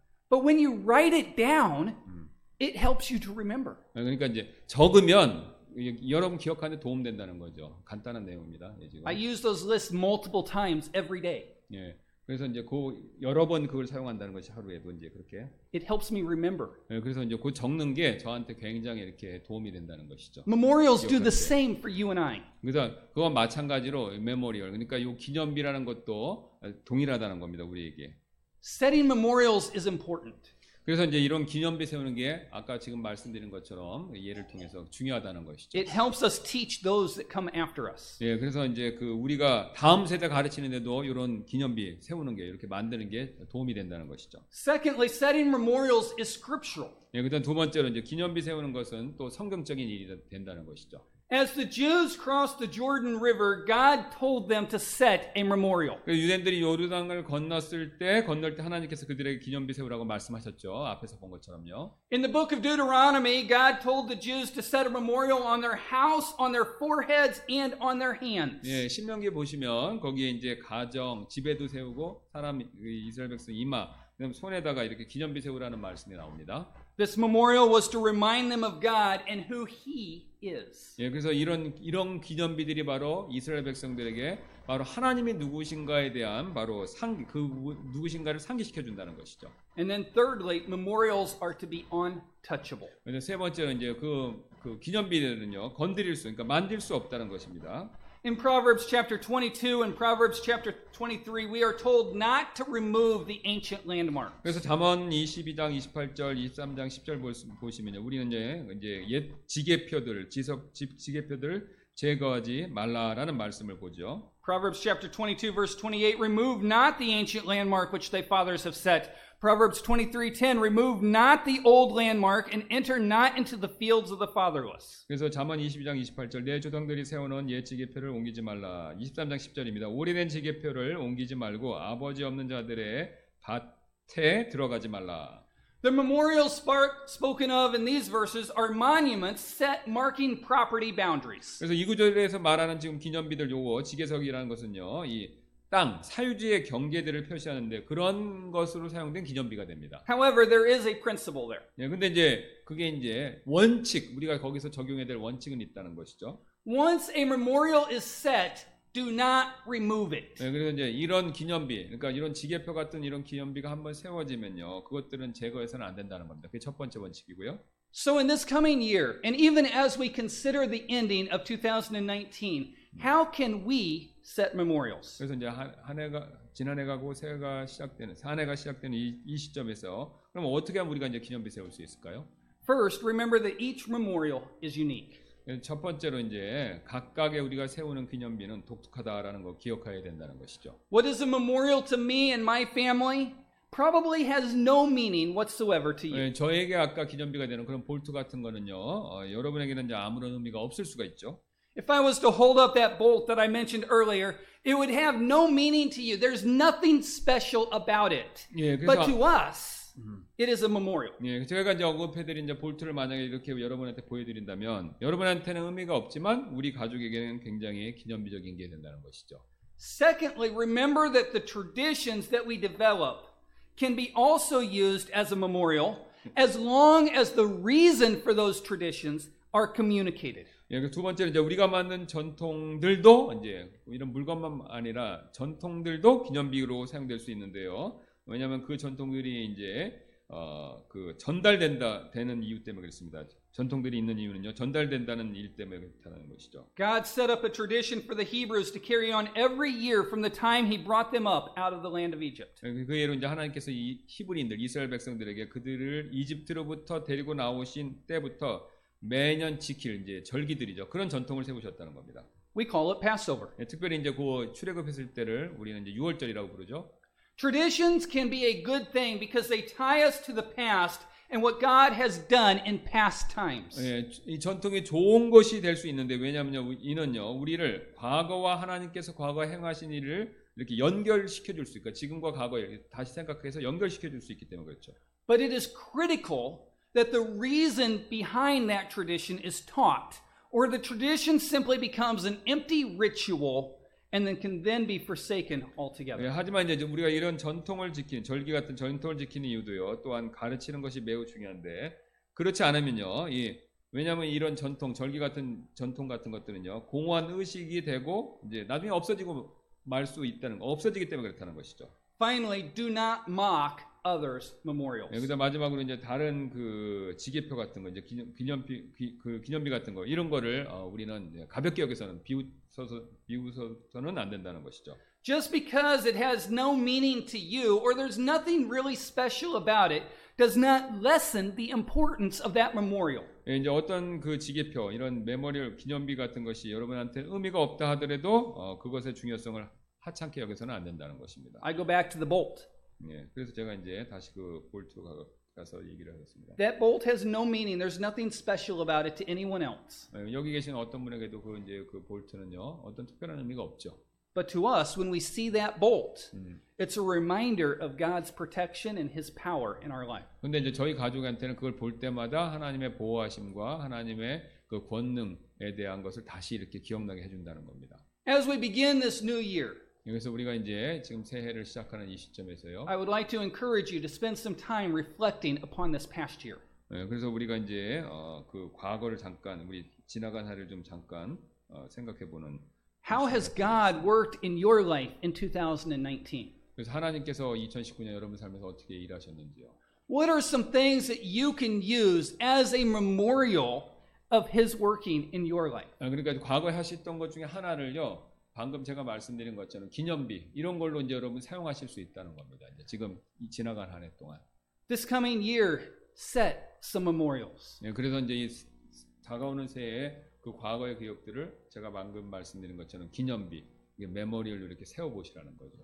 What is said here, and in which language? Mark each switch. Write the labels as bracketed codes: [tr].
[en] But when you write it down, it helps you to remember. [ko] 그러니까 이제 적으면 여러분 기억하는 데 도움된다는 거죠. 간단한 내용입니다. 예, [en] I use those lists multiple times every day. [ko] 예, 그래서 이제 그 여러 번 그걸 사용한다는 것이 하루에도 이제 그렇게. [en] It helps me remember. [ko] 예, 그래서 이제 그 적는 게 저한테 굉장히 이렇게 도움이 된다는 것이죠. [en] Memorials do the same for you and I. [ko] 그래서 그와 마찬가지로 메모리얼, 그러니까 요 기념비라는 것도 동일하다는 겁니다, 우리에게. [en] Setting memorials is important. [ko] 그래서 이제 이런 기념비 세우는 게 아까 지금 말씀드린 것처럼 예를 통해서 중요하다는 것이죠. [en] It helps us teach those that come after us. [ko] 예, 그래서 이제 그 우리가 다음 세대 가르치는데도 이런 기념비 세우는 게 이렇게 만드는 게 도움이 된다는 것이죠. [en] Secondly, setting memorials is scriptural. [ko] 예, 그다음 두 번째로 이제 기념비 세우는 것은 또 성경적인 일이 된다는 것이죠. [en] As the Jews crossed the Jordan River, God told them to set a memorial. [ko] 유대인들이 요르단을 건넜을 때 건널 때 하나님께서 그들에게 기념비 세우라고 말씀하셨죠. 앞에서 본 것처럼요. [en] In the book of Deuteronomy, God told the Jews to set a memorial on their house, on their foreheads and on their hands. [ko] 예, 신명기 보시면 거기에 이제 가정, 집에도 세우고 사람 이스라엘 백성 이마 그럼 손에다가 이렇게 기념비 세우라는 말씀이 나옵니다. [en] This memorial was to remind them of God and who He is. [ko] 예, 그래서 이런 기념비들이 바로 이스라엘 백성들에게 바로 하나님이 누구신가에 대한 바로 그 누구신가를 상기시켜 준다는 것이죠. [en] And then thirdly, memorials are to be untouchable. [ko] 그래서 세 번째는 이제 그 기념비들은요 건드릴 수, 그러니까 만질 수 없다는 것입니다. [en] In Proverbs chapter 22 and Proverbs chapter 23, we are told not to remove the ancient landmark. [ko] 그래서 잠언 22장 28절, 23장 10절 보시면요, 우리는 이제 옛 지게표들, 지게표들 제거하지 말라라는 말씀을 보죠. [en] Proverbs chapter 22 verse 28, remove not the ancient landmark which thy fathers have set. Proverbs 23:10, remove not the old landmark and enter not into the fields of the fatherless. [ko] 그래서 잠언 22장 28절, 내 조상들이 세워놓은 옛 지게표를 옮기지 말라. 23장 10절입니다. 오래된 지게표를 옮기지 말고 아버지 없는 자들의 밭에 들어가지 말라. [en] The memorials spoken of in these verses are monuments set marking property boundaries. [ko] 그래서 이 구절에서 말하는 지금 기념비들 요거 지게석이라는 것은요, 이 땅 사유지의 경계들을 표시하는데 그런 것으로 사용된 기념비가 됩니다. [en] However, there is a principle there. [ko] 예, 근데 이제 그게 이제 원칙 우리가 거기서 적용해야 될 원칙은 있다는 것이죠. [en] Once a memorial is set, do not remove it. [ko] 예, 그래서 이제 이런 기념비, 그러니까 이런 지게표 같은 이런 기념비가 한번 세워지면요, 그것들은 제거해서는 안 된다는 겁니다. 그게 첫 번째 원칙이고요. [en] So in this coming year, and even as we consider the ending of 2019. How can we set memorials? [ko] 그래서 이제 한 해가 지난 해가고 새해가 시작되는 한 해가 시작되는 이 시점에서 그럼 어떻게 하면 우리가 이제 기념비 세울 수 있을까요? [en] First, remember that each memorial is unique. [ko] 첫 번째로 이제 각각의 우리가 세우는 기념비는 독특하다라는 거 기억해야 된다는 것이죠. [en] What is a memorial to me and my family probably has no meaning whatsoever to you. [ko] 저에게 아까 기념비가 되는 그런 볼트 같은 거는요. 여러분에게는 이제 아무런 의미가 없을 수가 있죠. [en] If I was to hold up that bolt that I mentioned earlier, it would have no meaning to you. There's nothing special about it. [ko] 예, 그래서, [en] but to us, it is a memorial. [ko] 예, 제가 이제 언급해드린 이제 볼트를 만약에 이렇게 여러분한테 보여드린다면, 여러분한테는 의미가 없지만 우리 가족에게는 굉장히 기념비적인 게 된다는 것이죠. [en] Secondly, remember that the traditions that we develop can be also used as a memorial as long as the reason for those traditions are communicated. [ko] 예, 두 번째는 이제 우리가 만든 전통들도 이제 이런 물건만 아니라 전통들도 기념비로 사용될 수 있는데요. 왜냐하면 그 전통들이 이제 그 전달된다 되는 이유 때문에 그렇습니다. 전통들이 있는 이유는요, 전달된다는 일 때문에 그렇다는 것이죠. [en] God set up a tradition for the Hebrews to carry on every year from the time He brought them up out of the land of Egypt. [ko] 그 예로 이제 하나님께서 이 히브리인들 이스라엘 백성들에게 그들을 이집트로부터 데리고 나오신 때부터 매년 지킬 이제 절기들이죠. 그런 전통을 세우셨다는 겁니다. [en] We call it Passover. [ko] 예, 특별히 이제 그 출애굽했을 때를 우리는 이제 유월절이라고 부르죠. [en] Traditions can be a good thing because they tie us to the past and what God has done in past times. [ko] 예, 이 전통이 좋은 것이 될 수 있는데 왜냐면요, 이는요, 우리를 과거와 하나님께서 과거 행하신 일을 이렇게 연결시켜 줄 수 있고 지금과 과거를 다시 생각해서 연결시켜 줄 수 있기 때문에 그렇죠. [en] But it is critical that the reason behind that tradition is taught, or the tradition simply becomes an empty ritual and then can then be forsaken altogether. [ko] 예, 하지만 이제 우리가 이런 전통을 지킨 절기 같은 전통을 지키는 이유도요. 또한 가르치는 것이 매우 중요한데 그렇지 않으면요. 예, 왜냐하면 이런 전통, 절기 같은 전통 같은 것들은요 공허한 의식이 되고 이제 나중에 없어지고 말 수 있다는 거, 없어지기 때문에 그렇다는 것이죠. [en] Finally, do not mock others' memorials. [ko] 예, 그다음 마지막으로 이제 다른 그 지게표 같은 거, 이제 기념비 그 기념비 같은 거 이런 거를 우리는 가볍게 여기서는 비웃어서는 안 된다는 것이죠. [en] Just because it has no meaning to you or there's nothing really special about it does not lessen the importance of that memorial. [ko] 예, 이제 어떤 그 지게표 이런 메모리얼 기념비 같은 것이 여러분한테 의미가 없다 하더라도 그것의 중요성을 하찮게 여기서는 안 된다는 것입니다. [en] I go back to the bolt. [ko] 예, 그래서 제가 이제 다시 그 볼트 가서 얘기를 하겠습니다. [en] That bolt has no meaning. There's nothing special about it to anyone else. [ko] 예, 여기 계신 어떤 분에게도 그 이제 그 볼트는요 어떤 특별한 의미가 없죠. [en] But to us, when we see that bolt, it's a reminder of God's protection and His power in our life. [ko] 근데 이제 저희 가족한테는 그걸 볼 때마다 하나님의 보호하심과 하나님의 그 권능에 대한 것을 다시 이렇게 기억나게 해준다는 겁니다. [en] As we begin this new year. [ko] 그래서 우리가 이제 지금 새해를 시작하는 이 시점에서요. [en] I would like to encourage you to spend some time reflecting upon this past year. [ko] 네, 그래서 우리가 이제 그 과거를 잠깐 우리 지나간 해를 좀 잠깐 생각해 보는 [en] How has God worked in your life in 2019? [ko] 그래서 하나님께서 2019년 여러분 삶에서 어떻게 일하셨는지요? [en] What are some things that you can use as a memorial of his working in your life? [ko] 네, 그러니까 과거에 하셨던 것 중에 하나를요. 방금 제가 말씀드린 것처럼 기념비 이런 걸로 이제 여러분 사용하실 수 있다는 겁니다. 이제 지금 이 지나간 한 해 동안. [en] This coming year set some memorials. [ko] 예, 그래서 이제 이 다가오는 새해 그 과거의 기억들을 제가 방금 말씀드린 것처럼 기념비, 이 메모리얼 이렇게 세워 보시라는 거죠.